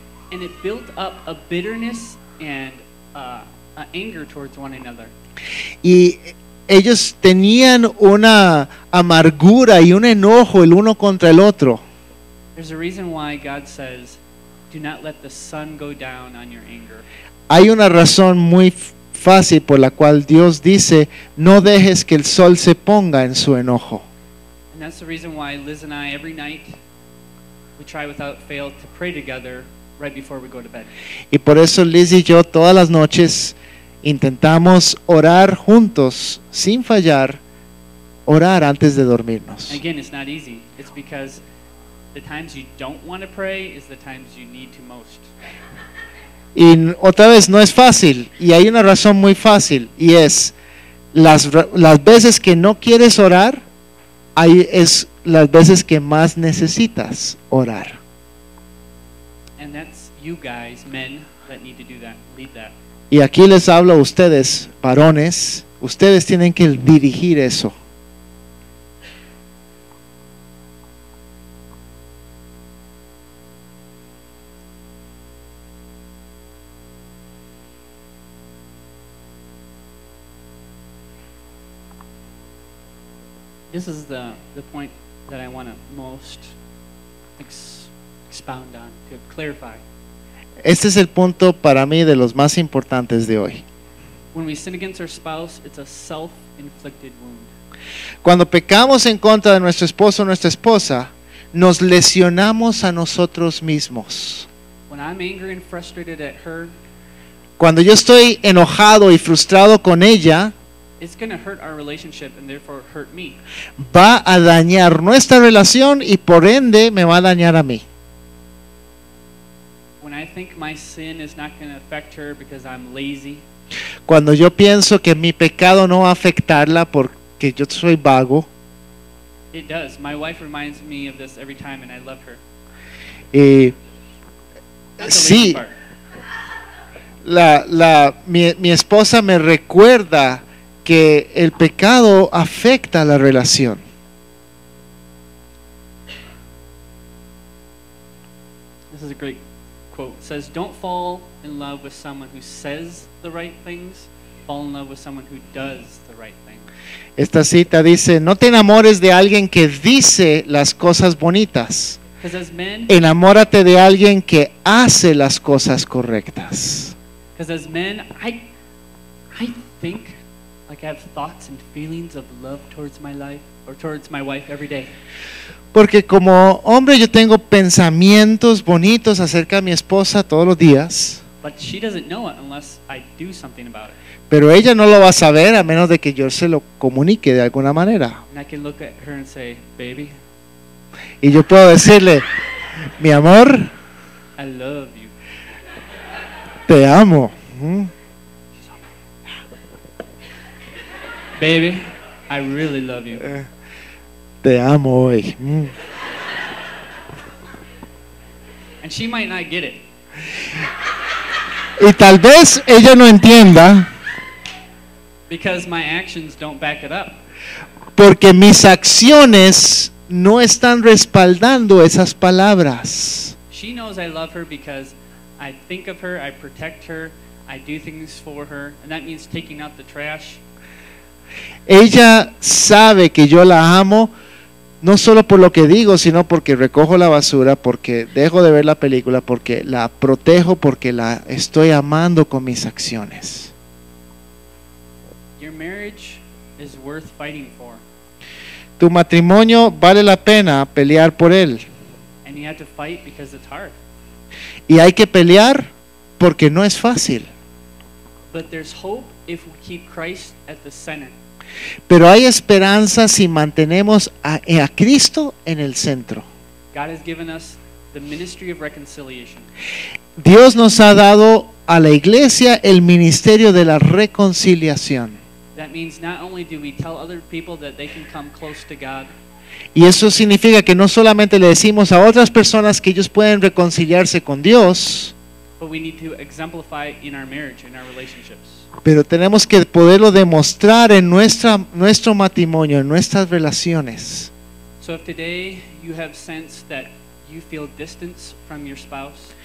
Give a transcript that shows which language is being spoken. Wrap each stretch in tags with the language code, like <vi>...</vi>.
<en>And it built up a bitterness and a anger towards one another.</en> <es>Y ellos tenían una amargura y un enojo el uno contra el otro.</es> <en>There's a reason why God says, "Do not let the sun go down on your anger."</en> <es>Hay una razón muy fácil por la cual Dios dice, no dejes que el sol se ponga en su enojo.</es> <en>And that's the reason why Liz and I, every night, we try without fail to pray together right before we go to bed.</en> <es>Y por eso Liz y yo todas las noches intentamos orar juntos, sin fallar, orar antes de dormirnos.</es> <en>Again, it's not easy. It's because the times you don't want to pray is the times you need to most.</en> <es>Y otra vez, no es fácil, y hay una razón muy fácil, y es las veces que no quieres orar, ahí es las veces que más necesitas orar.</es> <en>And that's you guys, men, that need to do that, lead that.</en> <es>Y aquí les hablo a ustedes, varones, ustedes tienen que dirigir eso.</es> <en>This is the point that I want to most expound on, to clarify.</en> <es>Este es el punto para mí de los más importantes de hoy.</es> <en>When we sin against our spouse, it's a self-inflicted wound.</en> <es>Cuando pecamos en contra de nuestro esposo o nuestra esposa, nos lesionamos a nosotros mismos.</es> <en>When I'm angry and frustrated at her,</en> <es>cuando yo estoy enojado y frustrado con ella,</es> <en>it's going to hurt our relationship and therefore hurt me.</en> <es>Va a dañar nuestra relación y por ende me va a dañar a mí.</es> <en>When I think my sin is not going to affect her because I'm lazy.</en> <es>Cuando yo pienso que mi pecado no va a afectarla porque yo soy vago.</es> <en>It does. My wife reminds me of this every time and I love her.</en> <es>Sí. Mi esposa me recuerda que el pecado afecta la relación.</es> <en>This is a great quote. It says, don't fall in love with someone who says the right things. Fall in love with someone who does the right thing.</en> <es>Esta cita dice, no te enamores de alguien que dice las cosas bonitas.</es> <en>Because as men,</en> <es>enamórate de alguien que hace las cosas correctas.</es> <en>Because as men, I think, like I have thoughts and feelings of love towards my life or towards my wife every day.</en> <es>Porque como hombre yo tengo pensamientos bonitos acerca de mi esposa todos los días.</es> <en>But she doesn't know it unless I do something about it.</en> <es>Pero ella no lo va a saber a menos de que yo se lo comunique de alguna manera.</es> <en>And I can look at her and say, baby.</en> <es>Y yo puedo decirle, mi amor,</es> <en>I love you.</en> <es>Te amo. ¿Mm?</es> <en>Baby, I really love you.</en> <es>Te amo hoy. Mm.</es> <en>And she might not get it.</en> <es>Y tal vez ella no entienda.</es> <en>Because my actions don't back it up.</en> <es>Porque mis acciones no están respaldando esas palabras.</es> <en>She knows I love her because I think of her, I protect her, I do things for her, and that means taking out the trash.</en> <es>Ella sabe que yo la amo no solo por lo que digo, sino porque recojo la basura, porque dejo de ver la película, porque la protejo, porque la estoy amando con mis acciones.</es> <en>Your marriage is worth fighting for.</en> <es>Tu matrimonio vale la pena pelear por él.</es> <en>And you have to fight because it's hard.</en> <es>Y hay que pelear porque no es fácil.</es> <en>But there's hope if we keep Christ at the center.</en> <es>Pero hay esperanza si mantenemos a Cristo en el centro.</es> <en>God has given us the ministry of reconciliation.</en> <es>Dios nos ha dado a la iglesia el ministerio de la reconciliación.</es> <en>That means not only do we tell other people that they can come close to God.</en> <es>Y eso significa que no solamente le decimos a otras personas que ellos pueden reconciliarse con Dios.</es> <en>But we need to exemplify in our marriage, in our relationships.</en> <es>Pero tenemos que poderlo demostrar en nuestro matrimonio, en nuestras relaciones.</es> <en>So if today you have sensed that you feel distance from your spouse.</en>